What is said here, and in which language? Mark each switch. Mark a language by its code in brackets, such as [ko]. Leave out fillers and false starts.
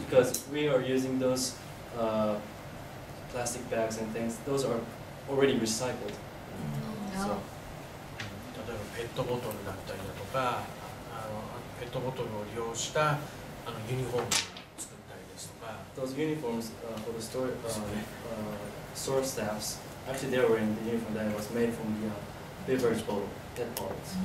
[en] because we are using those plastic bags and things, those are already recycled. [ja] So, 例えばペットボトルだったりだとか、ペットボトルを利用したユニフォームを作ったりですとか。 [en] Those uniforms for the store store staffs actually they were in the uniform that was made from the beverage bottle, pet bottles.